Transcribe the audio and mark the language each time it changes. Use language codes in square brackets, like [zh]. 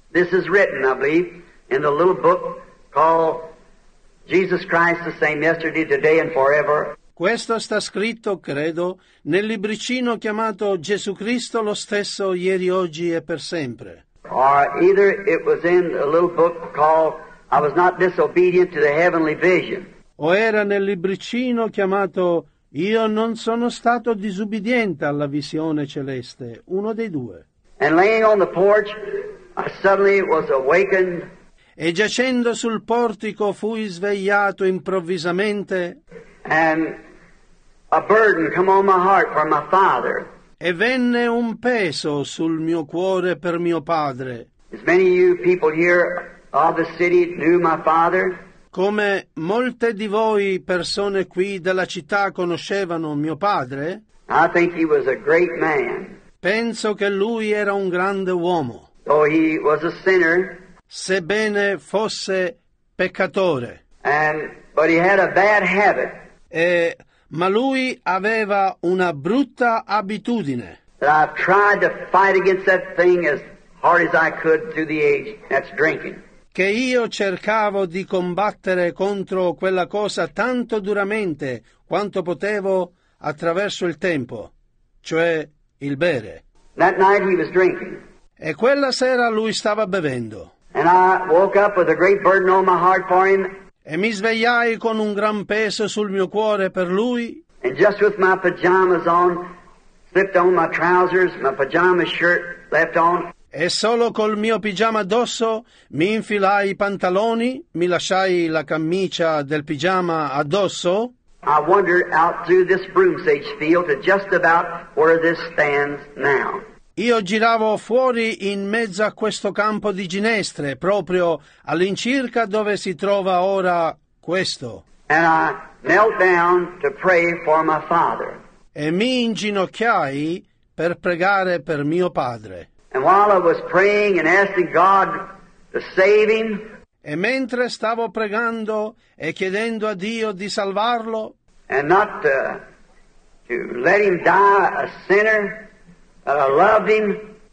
[en] This is written, I believe, in the little book called Jesus Christ the Same Yesterday, Today and Forever. [it] Questo sta scritto, credo, nel libricino chiamato Gesù Cristo lo stesso ieri, oggi e per sempre. [en] Or either it was in a little book called I Was Not Disobedient to the Heavenly Vision. [it] O era nel libricino chiamato Io non sono stato disubbidiente alla visione celeste, uno dei due. [en] And laying on the porch, I suddenly was awakened. [it] E giacendo sul portico fui svegliato improvvisamente. [en] And a burden came on my heart for my father. [it] E venne un peso sul mio cuore per mio padre. [en] As many of you people here of the city knew my father. [it] Come molte di voi persone qui della città conoscevano mio padre, [en] I think he was a great man. [it] Penso che lui era un grande uomo, [en] though he was a sinner, [it] sebbene fosse peccatore, [en] but he had a bad habit, [it] ma lui aveva una brutta abitudine. [en] I've tried to fight against that thing as hard as I could through the age, that's drinking. [it] Che io cercavo di combattere contro quella cosa tanto duramente quanto potevo attraverso il tempo, cioè il bere. [en] That night he was drinking. [it] E quella sera lui stava bevendo. [en] And I woke up with a great burden on my heart for him. [it] E mi svegliai con un gran peso sul mio cuore per lui. [en] And just with my pajamas on, slipped on my trousers, my pajama shirt left on. [it] E solo col mio pigiama addosso mi infilai i pantaloni, mi lasciai la camicia del pigiama addosso. [en] I wandered out through this broom sage field to just about where this stands now. [it] Io giravo fuori in mezzo a questo campo di ginestre, proprio all'incirca dove si trova ora questo. [en] And I knelt down to pray for my father. [it] E mi inginocchiai per pregare per mio padre. [en] And while I was praying and asking God to save him, [it] e mentre stavo pregando e chiedendo a Dio di salvarlo, [en] and not to let him die a sinner, but I loved him,